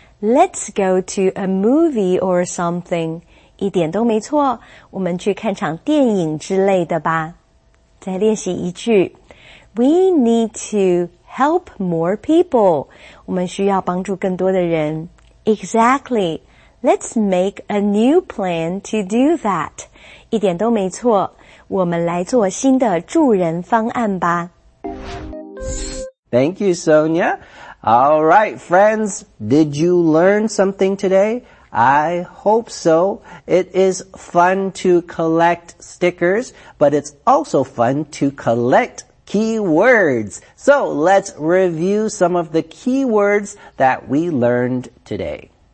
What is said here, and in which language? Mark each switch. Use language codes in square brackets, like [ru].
[en] Let's go to a movie or something. [zh] 一点都没错，我们去看场电影之类的吧。再练习一句 [en] We need to help more people. [zh] 我们需要帮助更多的人。 [en] Exactly. Let's make a new plan to do that. [zh] 一点都没错，我们来做新的助人方案吧。 [en] Thank you, Sonia. All right, friends, did you learn something today? I hope so. It is fun to collect stickers, but it's also fun to collect keywords. So let's review some of the keywords that we learned today.